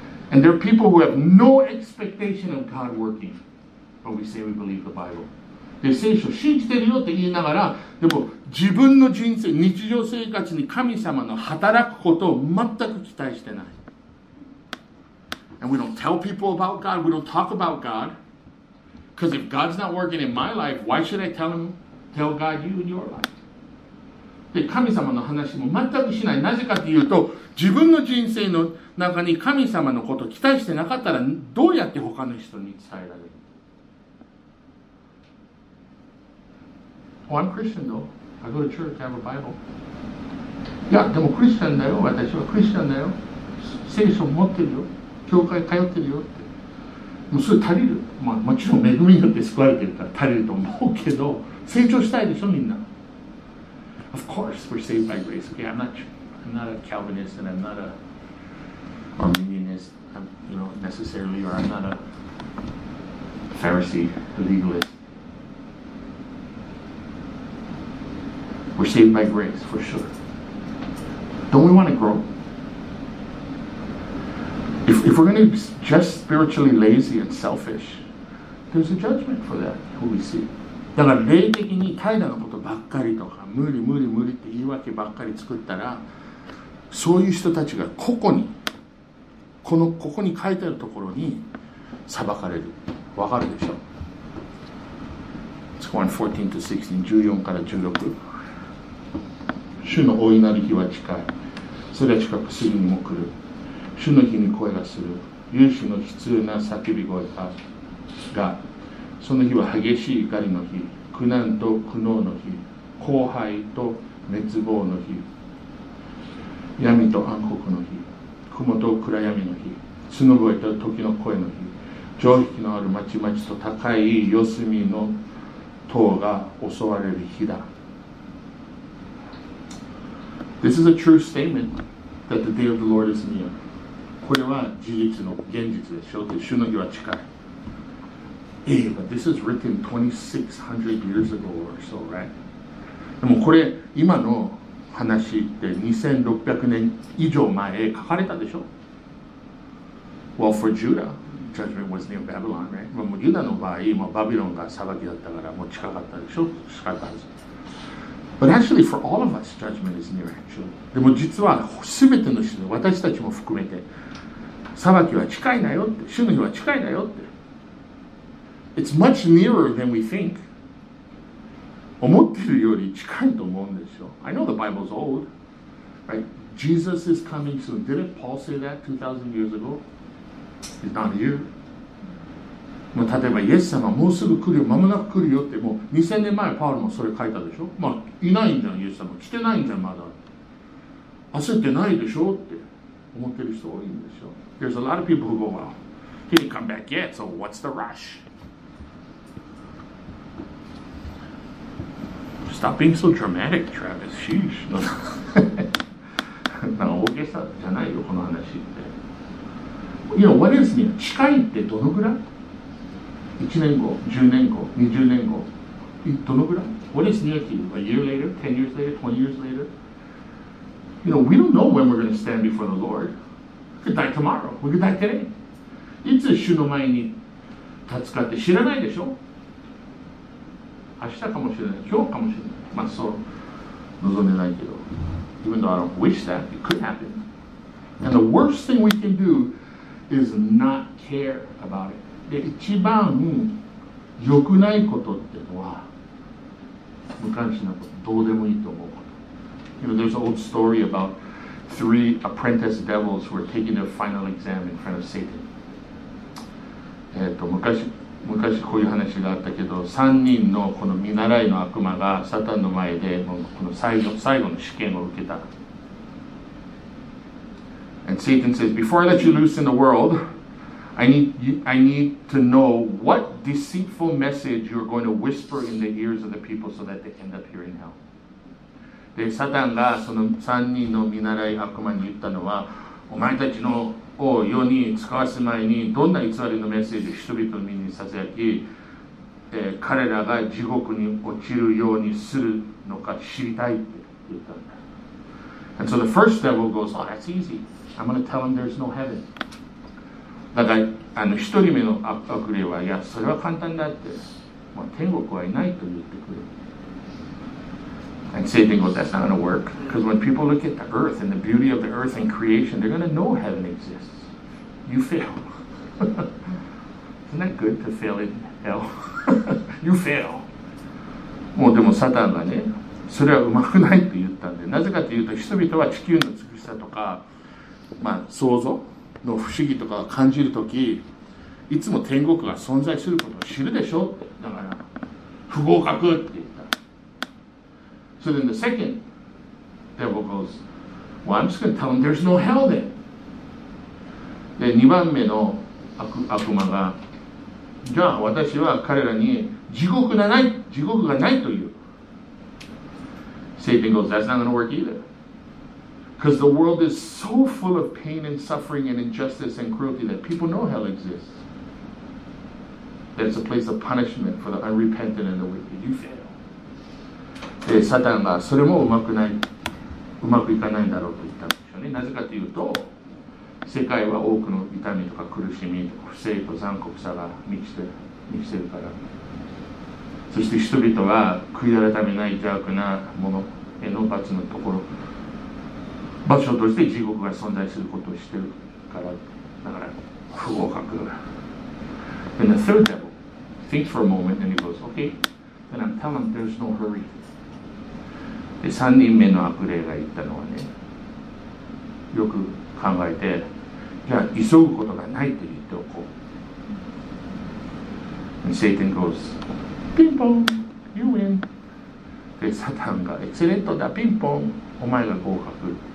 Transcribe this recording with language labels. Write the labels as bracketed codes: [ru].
[en] And there are people who have no expectation of God working. But we say we believe the Bible. [ja] で聖書信じてるよって言いながら、でも自分の人生、日常生活に神様の働くことを全く期待してない。 [en] And we don't tell people about God, we don't talk about God. Because if God's not working in my life, why should I tell God you in your life? [ja] で神様の話も全くしない。なぜかというと、自分の人生の中に神様のことを期待してなかったら、どうやって他の人に伝えられる？ [en] Oh, I'm Christian though. I go to church. I have a Bible. [ja] いや、でもクリスチャンだよ。私はクリスチャンだよ。聖書持ってるよ。教会通ってるよって。もうそれ足りる。まあもちろん恵みによって救われてるから足りると思うけど、成長したいでしょみんな。 [en] Of course, we're saved by grace. Okay, I'm not a Calvinist and I'm not a Arminianist. I'm, you know, necessarily, or I'm not a Pharisee, a legalist. We're saved by grace, for sure. Don't we want to grow? If we're going to be just spiritually lazy and selfish, there's a judgment for that, who we see. [ja] だから霊的に怠惰のことばっかりとか、無理無理無理って言い訳ばっかり作ったら、そういう人たちがここに、このここに書いてあるところに裁かれる。わかるでしょ？ [en] It's 1:14 to 16, [ja] 14から16。主の大いなる日は近い。それは近くすぐにも来る。主の日に声がする。勇士の悲痛な叫び声が。その日は激しい怒りの日。苦難と苦悩の日。荒廃と滅亡の日。闇と暗黒の日。雲と暗闇の日。角声と時の声の日。城壁のある町々と高い四隅の塔が襲われる日だ。 [en] This is a true statement that the day of the Lord is near. [ja] これは事実の現実でしょうって、主の日は近い。 [en] Hey, but this is written 2600 years ago or so, right? [ja] でもこれ今の話って2600年以上前書かれたでしょ。 [en] Well, for Judah, judgment was near Babylon, right? [ja] まあもうユダの場合、まあバビロンが裁きだったからもう近かったでしょ。しかったはず。 [en] But actually, for all of us, judgment is near. Actually, [ja] でも実は全ての人、私たちも含めて、裁きは近いなよって、主の日は近いなよって。 [en] It's much nearer than we think. [ja] 思ってるより近いと思うんですよ。 [en] I know the Bible's old, right? Jesus is coming soon. Didn't Paul say that 2,000 years ago? He's not here. [ja] もう例えばイエス様もうすぐ来るよ、間もなく来るよって、もう2000年前パウロもそれ書いたでしょ。まあいないんじゃん、イエス様来てないんじゃん、まだ焦ってないでしょって思ってる人多いんでしょ。 [en] There's a lot of people who go, well, he didn't come back yet, so what's the rush? Stop being so dramatic, Travis. Sheesh. [ja] なんか大げさじゃないよ、この話って。 [en] You know, what is near? [ja] 近いってどのぐらい？ 1年後、10年後、20年後、どのぐらい？ [en] What is near to you? A year later? 10 years later? 20 years later? You know, we don't know when we're going to stand before the Lord. We could die tomorrow. We could die today. [ja] いつ主の前に立つかって知らないでしょ？明日かもしれない。今日かもしれない。まあそう、望んでないけど。 [en] Even though I don't wish that, it could happen. And the worst thing we can do is not care about it. [ja] で一番良くないことってのは無関心なこと、どうでもいいと思うこと。 [en] You know, there's an old story about three apprentice devils who were taking their final exam in front of Satan. [ja] 昔こういう話があったけど、3人のこの見習いの悪魔がサタンの前でもうこの最後の試験を受けた。 [en] And Satan says, before I let you loose in the world,I need to know what deceitful message you're going to whisper in the ears of the people so that they end up here in hell. [ja] で、サタンがその3人の見習い悪魔に言ったのは、お前たちのを世に使わす前にどんな偽りのメッセージを人々の身にささやき、彼らが地獄に落ちるようにするのか知りたいって言ったんだ。 [en] And so the first devil goes, oh, that's easy. I'm going to tell him there's no heaven. [ja] だから、あの一人目の悪霊は、いや、それは簡単だって。もう天国はいないと言ってくれる。 [en] And Satan goes, that's not going to work. Because when people look at the earth and the beauty of the earth and creation, they're going to know heaven exists. You fail. Isn't that good to fail in hell? You fail. [ja] もうでもサタンがね、それはうまくないって言ったんで、なぜかというと人々は地球の美しさとか、まあ創造の不思議とかを感じるとき、いつも天国が存在することを知るでしょ。だから不合格って。 [en] So then the second devil goes, well, I'm just going to tell him there's no hell then. [ja] で、2番目の 悪魔が、じゃあ私は彼らに地獄がないという。 [en] Satan goes, that's not going to work either. Because the world is so full of pain and suffering and injustice and cruelty that people know hell exists. That it's a place of punishment for the unrepentant and the wicked. You fail. [ja] で、サタンがそれもうまくいかないんだろうと言ったんでしょうね。なぜかというと、世界は多くの痛みとか苦しみ、不正と残酷さが満ちてるから。そして人々は悔い改めない邪悪なものへの罰のところ、場所として地獄が存在することをしてるから、だから不合格。 [en] And the third devil thinks for a moment and he goes, okay, then I'm telling there's no hurry. [ja] で、3人目の悪霊が言ったのはね、よく考えて、じゃあ急ぐことがないと言っておこう。 [en] Satan goes, ピンポン、you win. [ja] で、サタンが、エクセレントだ、ピンポン、お前が合格。